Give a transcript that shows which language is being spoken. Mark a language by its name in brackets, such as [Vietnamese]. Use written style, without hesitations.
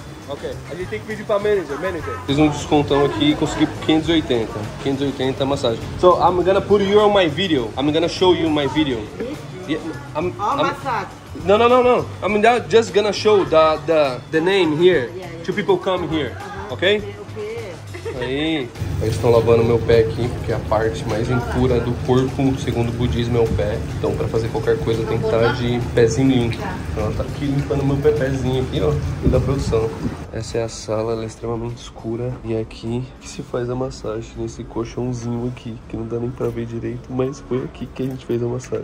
[Portuguese] Ok, a gente tem que pedir para manager. Fiz um descontão aqui e consegui 580. 580 massagem. [English] So I'm gonna put you on my video. I'm gonna show you my video. Massage. Yeah, no. I'm not just gonna show the name here. Two people come here. Ok? Aí. [Portuguese] Eles estão lavando meu pé aqui, porque a parte mais impura do corpo, segundo o budismo, é o pé. Então, para fazer qualquer coisa, tem que estar de pezinho limpo. Então, ela tá aqui limpando meu pezinho aqui, ó, e da produção. Essa é a sala, ela é extremamente escura. E aqui que se faz a massagem, nesse colchãozinho aqui, que não dá nem para ver direito, mas foi aqui que a gente fez a massagem.